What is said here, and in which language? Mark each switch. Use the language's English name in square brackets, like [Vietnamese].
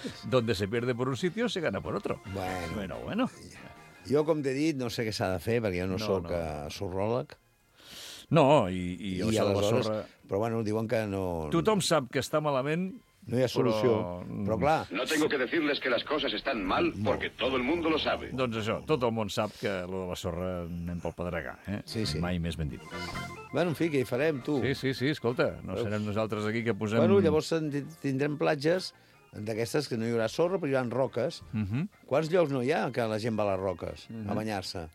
[Spanish] Donde se pierde por un sitio, se gana por otro. [Catalan] Bueno. Jo, com t'he dit, no sé què s'ha de fer, perquè jo no sóc sorròleg. No, i jo aleshores... sorra... Però, bueno, diuen que no... Tothom sap que està malament... No hi ha solució, però clar... [Spanish] No tengo que decirles que las cosas están mal porque todo el mundo lo sabe. [Catalan] Doncs això, tot el món sap que lo de la sorra anem pel pedregar, eh? Sí, sí. Mai més ben dit. Bueno, en fi, què hi farem, tu? Sí, escolta, no serem nosaltres aquí que posem... Bueno, llavors tindrem platges d'aquestes que no hi haurà sorra, però hi haurà roques. Uh-huh. Quants llocs no hi ha que la gent va a les roques a banyar-se?